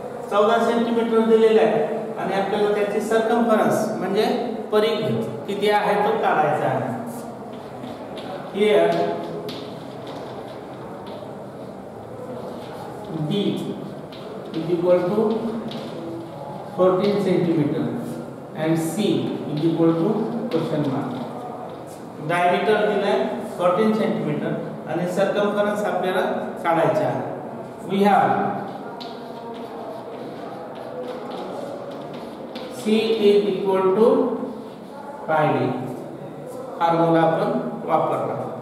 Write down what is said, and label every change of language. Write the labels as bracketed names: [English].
[Marathi] 14 centimetre दिलेला आहे आणि आपल्याला त्याची सरकमफरन्स म्हणजे परिघ किती आहे तो काढायचा आहे. [English] Here B is equal to 14 centimetre and C is equal to question mark. [Marathi] Diameter दिलाय 14 सेंटीमीटर आणि सरकमफरन्स आपल्याला काढायचा आहे. [English] We have C is equal to pi d. [Marathi] Formula आपण वापरला.